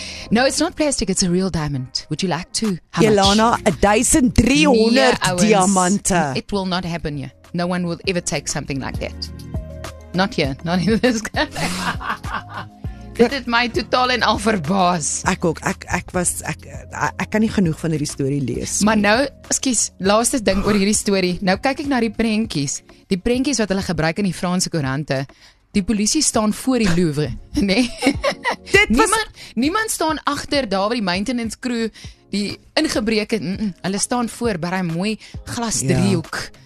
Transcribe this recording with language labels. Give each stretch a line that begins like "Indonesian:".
English: No, it's not plastic, it's a real diamond. Would you like to? How Yelana, much? 1,300 diamante. It will not happen here. No one will ever take something like that. Not here. Not in this...
Afrikaans: Dit het my totaal en al verbaas. Ek ook. Ek kan nie genoeg van hierdie story lees. Maar nou, skus, laaste ding oor hierdie story. Nou kyk ek na die prentjies. Die prentjies wat hulle gebruik in die Franse koerante. Die polisie staan voor die Louvre, nê? Nee. Dit was... Niemand staan agter daar waar die maintenance crew die ingebreek het. Hulle staan voor by 'n mooi glasdriehoek.